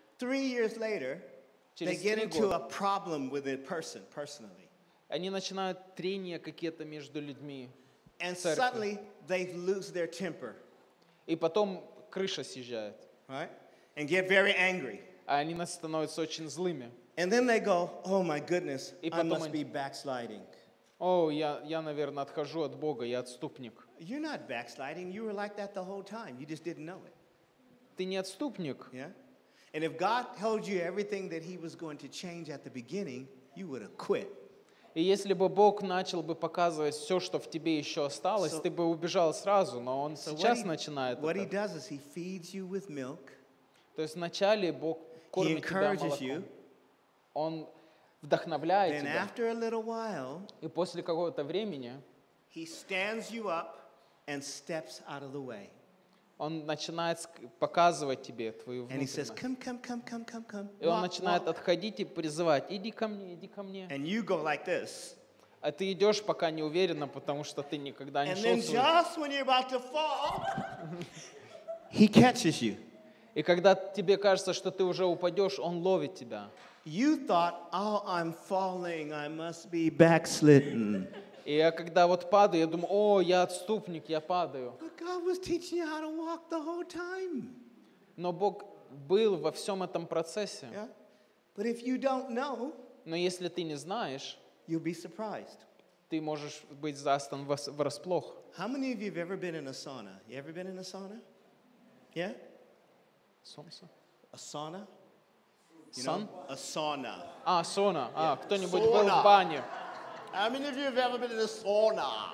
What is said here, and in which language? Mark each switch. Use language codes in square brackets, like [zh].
[en] 3 years later, they get into a problem with a person personally. [ru] Они начинают трения какие-то между людьми. [en] And suddenly they lose their temper. [ru] И потом крыша съезжает. [en] Right? And get very angry. [ru] Они становятся очень злыми. [en] And then they go, oh my goodness, I must be backsliding. [ru] Я, наверное, отхожу от Бога, я отступник. [en] You're not backsliding, you were like that the whole time. You just didn't know it. [ru] Ты не отступник. [en] Yeah? And if God told you everything that he was going to change at the beginning, you would have quit. [ru] И если бы Бог начал бы показывать все, что в тебе еще осталось, ты бы убежал сразу, но Он сейчас начинает это. [en] What he does is he feeds you with milk. [ru] То есть вначале Бог кормит тебя молоком. Он вдохновляет тебя. [en] Then after a little while, [ru] и после какого-то времени, [en] he stands you up and steps out of the way. [ru] Он начинает показывать тебе твою внутренность. [en] And he says, come. [ru] И он начинает отходить и призывать: иди ко мне. [en] And you go like this. [ru] А ты идешь пока не уверенно, потому что ты никогда не шел. [en] And then just when you're about to fall, he catches you. [ru] И когда тебе кажется, что ты уже упадешь, он ловит тебя. [en] You thought, oh, I'm falling, I must be backslidden. [ru] И я когда вот падаю, я думаю: о, я отступник, я падаю. [en] But God was teaching you how to walk the whole time. [ru] Но Бог был во всем этом процессе. [en] Yeah? But if you don't know, [ru] но если ты не знаешь, [en] you'll be surprised. [ru] Ты можешь быть застан врасплох. [en] How many of you have ever been in a sauna? You ever been in a sauna? Yeah? A sauna? You know? A sauna. [ru] А, сауна. Yeah. А, кто-нибудь был в бане? [en] How many of you have ever been in a sauna?